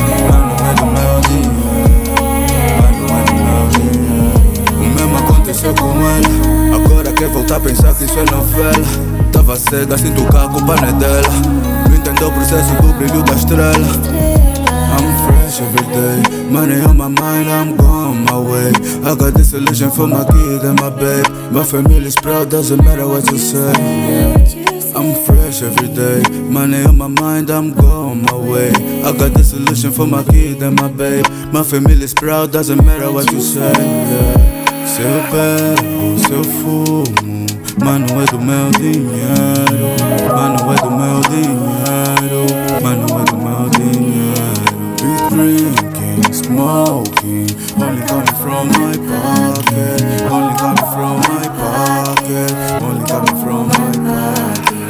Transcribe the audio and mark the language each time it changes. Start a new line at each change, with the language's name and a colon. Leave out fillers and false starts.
Portuguese: Mano é do meu dia. Mano é do meu dia. O mesmo aconteceu com ele. Agora quer voltar a pensar que isso é novela. Tava cega, sinto que a culpa não é dela. Não entendeu o processo do brilho da estrela.
English: I'm fresh every day. Money on my mind, I'm going my way. I got this illusion for my kid and my babe. My family's proud, doesn't matter what you say. I'm fresh every day. Money on my mind, I'm going my way. I got this illusion for my kid and my babe. My family's proud, doesn't matter what you say.
Portuguese: Se eu bebo, se eu fumo, mano é do meu dinheiro. Mano é do meu dinheiro. Mano é do meu dinheiro.
English: Be drinking, smoking, only coming from my pocket. Only coming from my pocket. Only coming from my pocket.